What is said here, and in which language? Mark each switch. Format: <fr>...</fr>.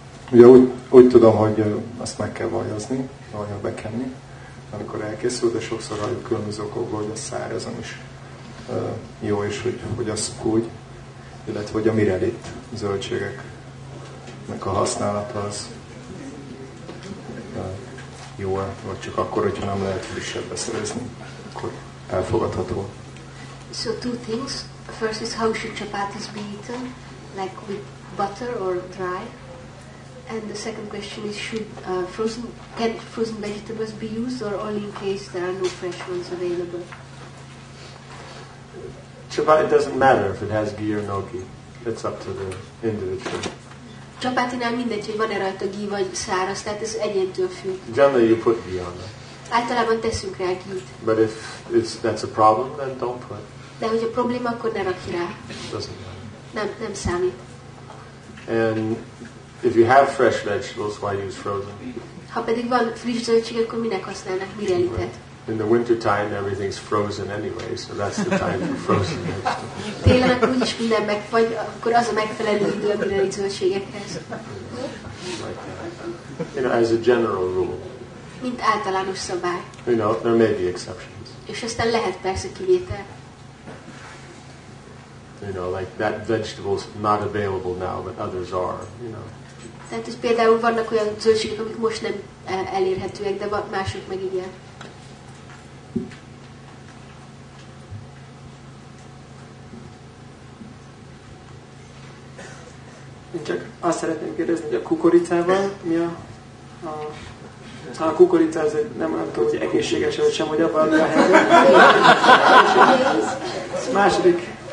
<hu>Ugye úgy tudom, hogy azt meg kell vajazni, vajra bekenni, amikor elkészül, de sokszor halljuk különböző okokból, hogy a szárazon is jó, és hogy fogyasszuk úgy, illetve hogy a mirelit zöldségeknek a használata az jó, vagy csak akkor, hogyha nem lehet frissebb beszerezni, akkor elfogadható.</hu> <en>So two things. First is how should chapatis be eaten, like with butter or dry? And the second question is, should can frozen vegetables be used, or only in case there are no fresh ones available? Chapati doesn't matter if it has ghee or no ghee. It's up to the individual.</en> <hu>Chapati nem mindegy, hogy van-e rajta ghee vagy száraz, tehát ez egyéntől függ.</hu> <en>Generally you put ghee on it.</en> <hu>Általában teszünk rá ghee-t.</hu> <en>But if it's, that's a problem, then don't put.</en> <hu>De hogyha probléma, akkor ne rakj rá. Nem számít.</hu> <en>And if you have fresh vegetables, why use frozen?</en> <hu>Ha pedig van friss zöldség, akkor minek használnak mirelitet?</hu> <en>In the winter time, everything's frozen anyway, so that's the time for frozen vegetables.</en> <hu>Télen úgyis minden megfagy, akkor az a megfelelő idő a mirelit zöldségekhez.</hu> <en>You know, as a general rule.</en> <hu>Mint általános szabály.</hu> <en>You know, there may be exceptions.</en> <hu>És aztán lehet persze kivétel.</hu> <en>You know, like that vegetable's not available now, but others are, you know.</en> <hu>Tehát, hogy például vannak olyan zöldségek, amik most nem elérhetőek, de mások meg igen. Én csak azt szeretném kérdezni, hogy a kukoricával mi a... Ha a kukorica az nem tudom, hogy egészséges vagy sem, hogy abban a második.</hu>